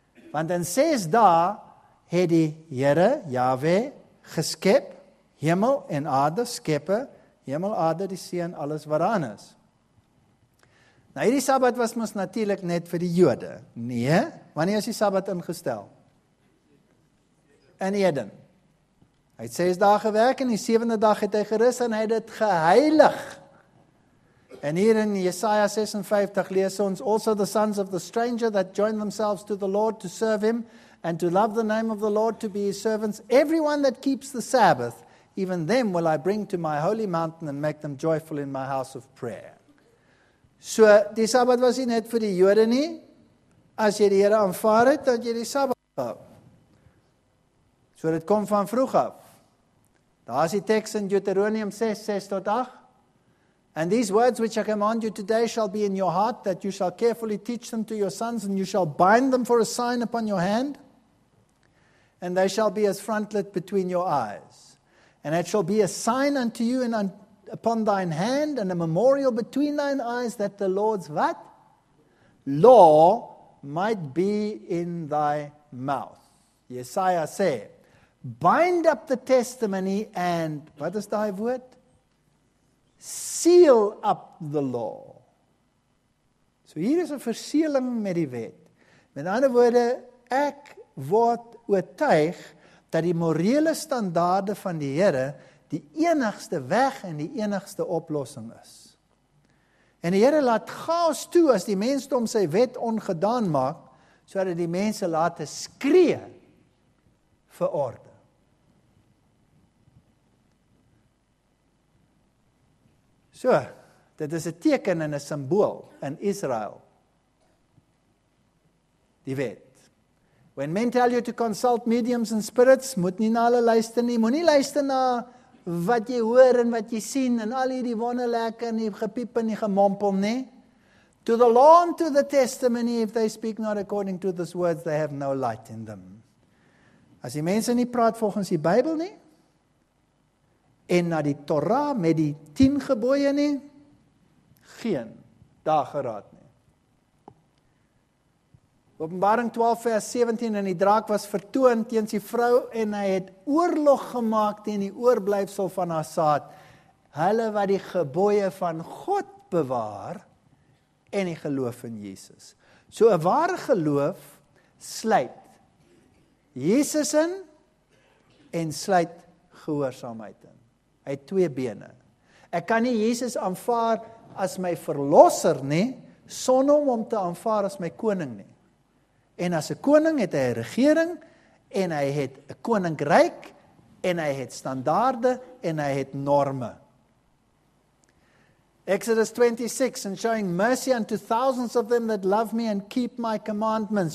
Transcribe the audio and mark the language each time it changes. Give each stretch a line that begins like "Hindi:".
Afrikaans: Want in 6 dae het die Here, Yahweh, geskep, hemel en aarde, skeppe, hemel, aarde, die see en alles wat daarin is. Nou hierdie Sabbat was mos natuurlik net vir die Jode. Nee, wanneer is die Sabbat ingestel? In Eden. Hy het 6 dae gewerk en die 7de dag het hy gerus en hy het dit geheilig. En hier in Jesaja 56 lees ons,
English: Also the sons of the stranger that join themselves to the Lord to serve him and to love the name of the Lord to be his servants, everyone that keeps the Sabbath, even them will I bring to my holy mountain and make them joyful in my house of prayer.
Afrikaans: So die Sabbat was nie net vir die Jode nie. As jy die Here aanvaar het, dat jy die Sabbat hou. So dit kom van vroeg af. Daar is die teks in Deuteronomium 6:6-8.
English: And these words which I command you today shall be in your heart, that you shall carefully teach them to your sons, and you shall bind them for a sign upon your hand, and they shall be as frontlet between your eyes. And it shall be a sign unto you and upon thine hand, and a memorial between thine eyes, that the Lord's, what? Law might be in thy mouth. Jesaja said, bind up the testimony and, what is thy word? Seal up the law.
Afrikaans: So hier is 'n verseëling met die wet. Met ander woorde, ek word oortuig dat die morele standaarde van die Here die enigste weg en die enigste oplossing is. En die Here laat chaos toe as die mensdom sy wet ongedaan maak, sodat die mense laat skree vir orde. So, dit is 'n teken en 'n simbool in Israel. Die wet.
English: When men tell you to consult mediums and spirits,
Afrikaans: moet nie na hulle luister nie. Moet nie luister na wat jy hoor en wat jy sien en al hierdie wonderlike en die gepiep en die gemompel nie.
English: To the law and to the testimony, if they speak not according to these words, they have no light in them.
Afrikaans: As die mense nie praat volgens die Bybel nie, en na die Torah met die 10 gebooie nie, geen dageraad nie. Openbaring 12 vers 17, en die draak was vertoon teens die vrou, en hy het oorlog gemaak teen die oorblijfsel van haar saad, hulle wat die gebooie van God bewaar, en die geloof in Jesus. So, 'n ware geloof sluit Jesus in, en sluit gehoorsaamheid in. Hy het twee bene. Ek kan nie Jesus aanvaar as my verlosser nie, son om te aanvaar as my koning nie. En as 'n koning het hy 'n regering, en hy het 'n koninkryk, en hy het standaarde, en hy het norme.
English: Exodus 26, and showing mercy unto thousands of them that love me and keep my commandments.